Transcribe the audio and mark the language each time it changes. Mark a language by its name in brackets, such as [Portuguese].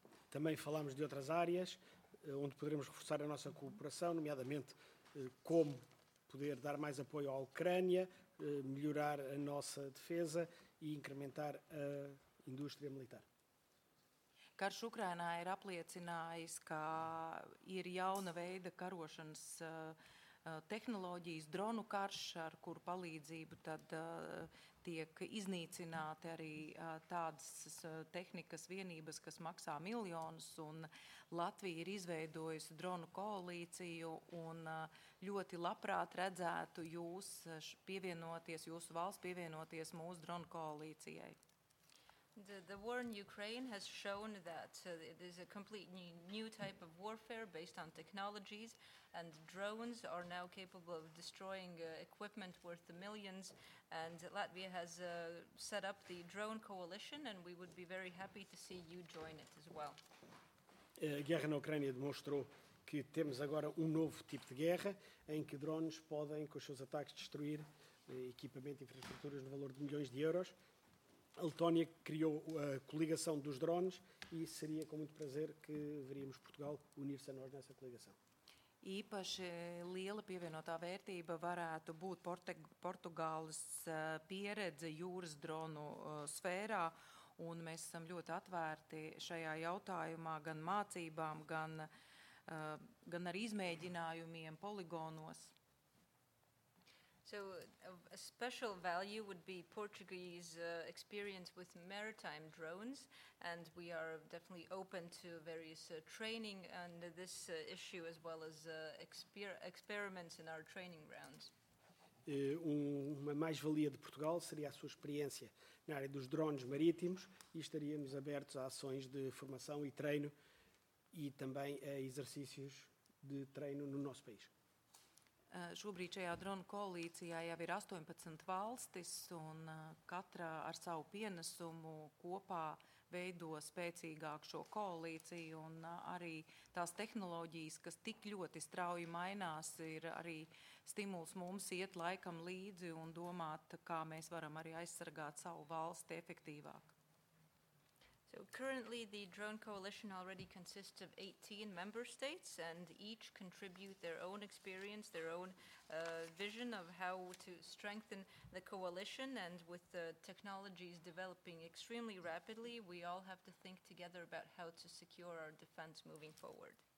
[Portuguese] Também falámos de outras áreas onde poderemos reforçar a nossa cooperação, nomeadamente como poder dar mais apoio à Ucrânia, melhorar a nossa defesa e incrementar a indústria militar. [Latvian] Karš Ukrainā ir apliecinājis, ka ir jauna veida karošanas tehnoloģijas, dronu karš, ar kuru palīdzību tad tiek iznīcināti arī tādas tehnikas vienības, kas maksā miljonus, un Latvija ir izveidojusi dronu koalīciju un ļoti labprāt redzētu jūs pievienoties, jūsu valsts pievienoties mūsu dronu koalīcijai. [English] The war in Ukraine has shown that it is a completely new type of warfare based on technologies, and drones are now capable of destroying equipment worth the millions, and Latvia has set up the drone coalition, and we would be very happy to see you join it as well. [Portuguese] A guerra na Ucrânia demonstrou que temos agora novo tipo de guerra, em que drones podem, com os seus ataques, destruir equipamento e infraestruturas no valor de milhões de euros. A Letónia criou a coligação dos drones e seria com muito prazer que veríamos Portugal unir-se a nós nessa coligação. [Latvian] Īpaši liela pievienotā vērtība varētu būt Portugāles pieredze jūras dronu sfērā, un mēs esam ļoti atvērti šajā jautājumā gan mācībām, gan arī izmēģinājumiem poligonos. [English] So a special value would be Portuguese experience with maritime drones, and we are definitely open to various training on this issue as well as experiments in our training grounds. [Portuguese] Uma mais-valia de Portugal seria a sua experiência na área dos drones marítimos e estaríamos abertos a ações de formação e treino e também a exercícios de treino no nosso país. [Latvian] Šobrīd šajā dronu koalīcijā jau ir 18 valstis, un katra ar savu pienesumu kopā veido spēcīgāku šo koalīciju, un arī tās tehnoloģijas, kas tik ļoti strauji mainās, ir arī stimuls mums iet laikam līdzi un domāt, kā mēs varam arī aizsargāt savu valsti efektīvāk. [English] So currently, the drone coalition already consists of 18 member states, and each contribute their own experience, their own vision of how to strengthen the coalition. And with the technologies developing extremely rapidly, we all have to think together about how to secure our defense moving forward.